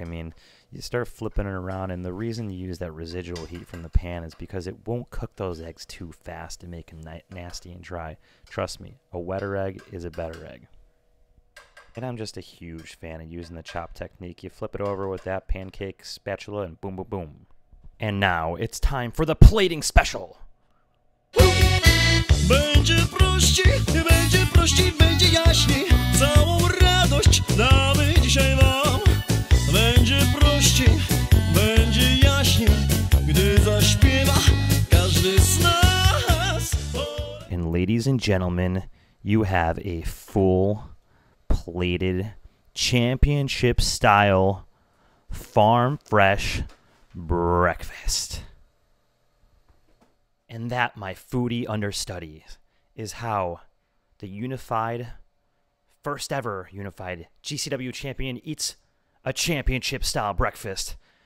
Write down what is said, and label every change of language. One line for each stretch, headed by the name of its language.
English: I mean, you start flipping it around, and the reason you use that residual heat from the pan is because it won't cook those eggs too fast and make them nasty and dry. Trust me, a wetter egg is a better egg. And I'm just a huge fan of using the chop technique. You flip it over with that pancake spatula and boom, boom, boom. And now it's time for the plating special.
Polish: Będzie prościej, będzie prościej, będzie jaśniej. Całą radość damy dzisiaj wam. Będzie prościej, będzie jaśniej, gdy zaśpiewa każdy z nas.
English: And ladies and gentlemen, you have a full plated championship style farm fresh breakfast. And that, my foodie understudies, is how the unified, first ever unified GCW champion eats a championship style breakfast.